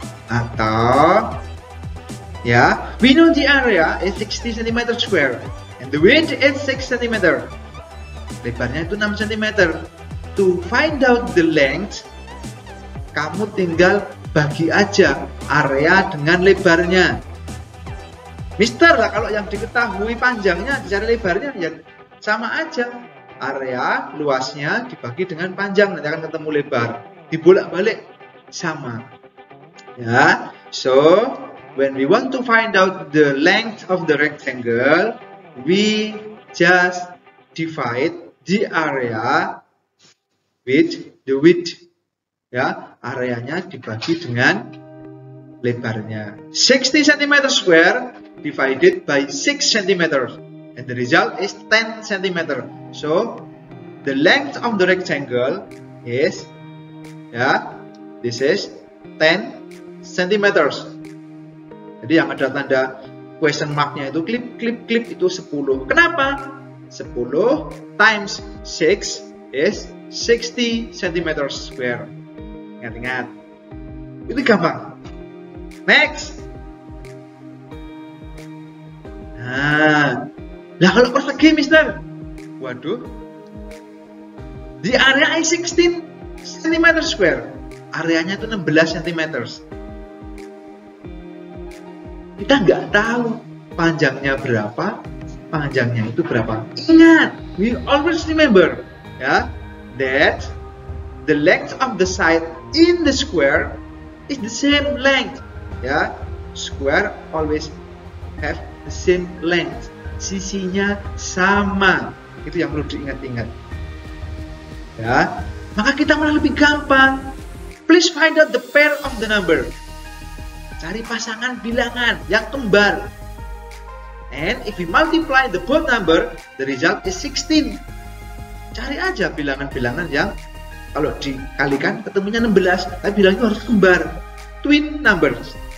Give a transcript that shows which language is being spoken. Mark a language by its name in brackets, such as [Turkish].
[Indonesian] Atau ya, [English] we know the area is 60 cm square and the width is 6 cm. [Indonesian] Lebarnya itu 6 cm. [English] To find out the length, [Indonesian] kamu tinggal bagi aja area dengan lebarnya. Mister lah, kalau yang diketahui panjangnya dicari lebarnya, ya sama aja. Area luasnya dibagi dengan panjang, nanti akan ketemu lebar. Dibolak-balik, sama. [English] Ya, so when we want to find out the length of the rectangle, we just divide the area with the width. [Indonesian] Ya, areanya dibagi dengan lebarnya. [English] 60 cm square divided by 6 cm. And the result is 10 cm. So, the length of the rectangle is, ya, this is 10 cm. [Indonesian] Jadi yang ada tanda question marknya itu klip, klip, klip, itu 10. Kenapa? [English] 10 times 6 is 60 cm square. [Indonesian] Ingat-ingat. Itu gampang. [English] Next. [Indonesian] Nah. Lah kalau persegi, mister. Waduh. [English] The area is 16 cm square. [Indonesian] Areanya itu 16 cm. Kita nggak tahu panjangnya berapa, panjangnya itu berapa. [English] Ingat, we always remember, ya, that the length of the side in the square is the same length. Ya, square always have the same length. [Indonesian] Sisinya sama. Itu yang perlu diingat-ingat. Ya, maka kita malah lebih gampang. [English] Please find out the pair of the number. [Indonesian] Cari pasangan bilangan yang kembar. [English] And if we multiply the both number, the result is 16. [Indonesian] Cari aja bilangan-bilangan yang kalau dikalikan ketemunya 16, tapi bilangnya harus kembar. [English] Twin numbers.